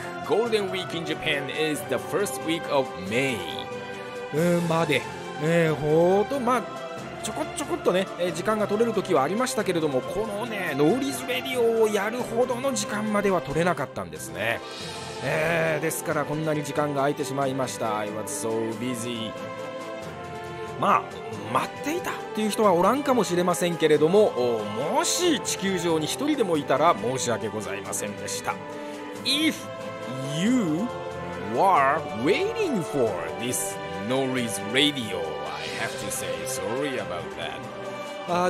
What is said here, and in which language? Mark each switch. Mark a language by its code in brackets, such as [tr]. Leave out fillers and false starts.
[en] Golden Week in Japan is the first week of May. [ja] まで。ほんと、まあ、ちょこちょこっとね、時間が取れる時はありましたけれども、このね、ノーリーズレディオをやるほどの時間までは取れなかったんですね。ですから、こんなに時間が空いてしまいました。 [en] I was so busy. [ja] まあ、待っていたっていう人はおらんかもしれませんけれども、もし地球上に一人でもいたら申し訳ございませんでした。 [en] If you were waiting for thisNoise Radio, I have to say sorry about that.